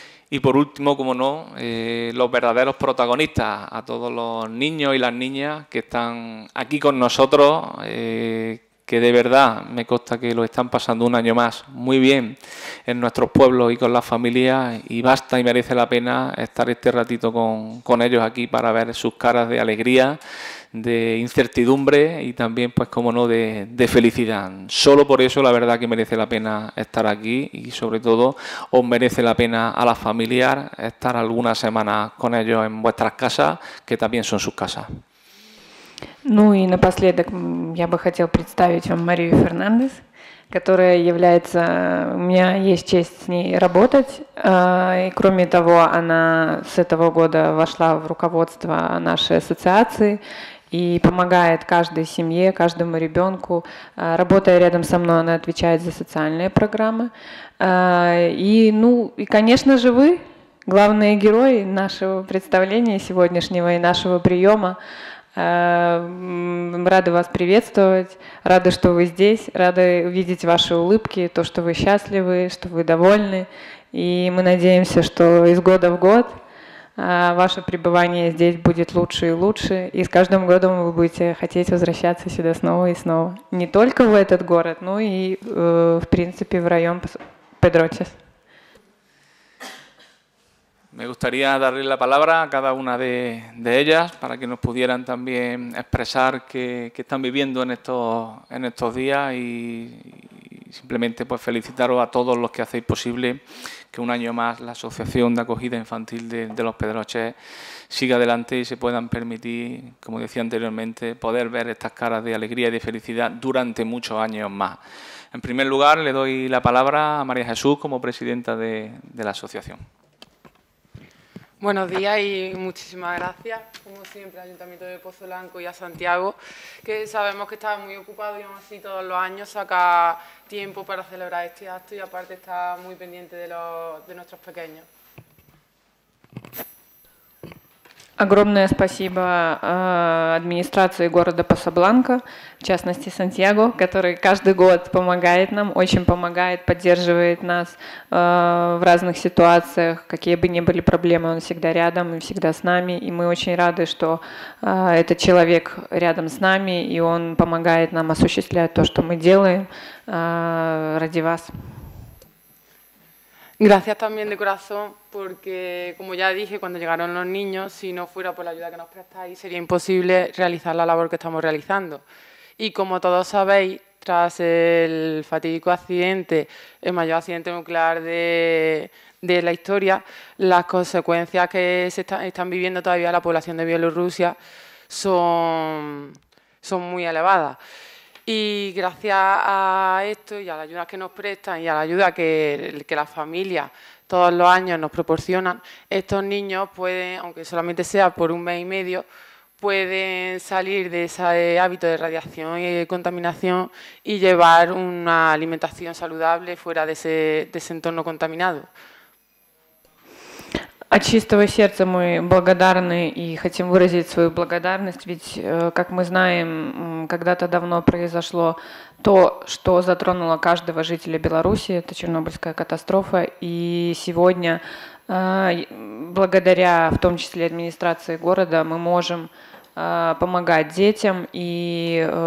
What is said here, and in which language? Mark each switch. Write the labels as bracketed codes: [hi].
[es] Y por último, como no, los verdaderos protagonistas, a todos los niños y las niñas que están aquí con nosotros, que de verdad me consta que lo están pasando un año más muy bien en nuestros pueblos y con las familias, y basta y merece la pena estar este ratito con ellos aquí para ver sus caras de alegría, de incertidumbre y también, pues como no, de felicidad. Solo por eso la verdad que merece la pena estar aquí, y sobre todo os merece la pena a la familiar estar algunas semanas con ellos en vuestras casas, que también son sus casas. [ru] Ну и напоследок я бы хотел представить вам Марию Фернандес, которая является... У меня есть честь с ней работать. И кроме того, она с этого года вошла в руководство нашей ассоциации и помогает каждой семье, каждому ребенку. Работая рядом со мной, она отвечает за социальные программы. И, ну, и конечно же, вы главные герои нашего представления сегодняшнего и нашего приема. Рады вас приветствовать, рады, что вы здесь, рады видеть ваши улыбки, то, что вы счастливы, что вы довольны. И мы надеемся, что из года в год ваше пребывание здесь будет лучше и лучше, и с каждым годом вы будете хотеть возвращаться сюда снова и снова. Не только в этот город, но и, в принципе, в район Педрочес. [es] Me gustaría darle la palabra a cada una de ellas para que nos pudieran también expresar qué están viviendo en estos días, y simplemente pues felicitaros a todos los que hacéis posible que un año más la Asociación de Acogida Infantil de los Pedroches siga adelante y se puedan permitir, como decía anteriormente, poder ver estas caras de alegría y de felicidad durante muchos años más. En primer lugar, le doy la palabra a María Jesús como presidenta de la asociación. Buenos días y muchísimas gracias, como siempre, al Ayuntamiento de Pozo Blanco y a Santiago, que sabemos que está muy ocupado y aún así todos los años saca tiempo para celebrar este acto y aparte está muy pendiente de nuestros pequeños. [ru] Огромное спасибо администрации города Пасабланка, в частности Сантьяго, который каждый год помогает нам, очень помогает, поддерживает нас в разных ситуациях, какие бы ни были проблемы, он всегда рядом и всегда с нами. И мы очень рады, что этот человек рядом с нами, и он помогает нам осуществлять то, что мы делаем ради вас. [es] Gracias también de corazón, porque como ya dije, cuando llegaron los niños, si no fuera por la ayuda que nos prestáis, sería imposible realizar la labor que estamos realizando. Y como todos sabéis, tras el fatídico accidente, el mayor accidente nuclear de la historia, las consecuencias que se están viviendo todavía la población de Bielorrusia son muy elevadas. Y gracias a esto y a la ayuda que nos prestan y a la ayuda que las familias todos los años nos proporcionan, estos niños pueden, aunque solamente sea por un mes y medio, pueden salir de ese hábito de radiación y de contaminación y llevar una alimentación saludable fuera de ese entorno contaminado. [ru] От чистого сердца мы благодарны и хотим выразить свою благодарность, ведь, как мы знаем, когда-то давно произошло то, что затронуло каждого жителя Беларуси, это Чернобыльская катастрофа, и сегодня, благодаря в том числе администрации города, мы можем помогать детям, и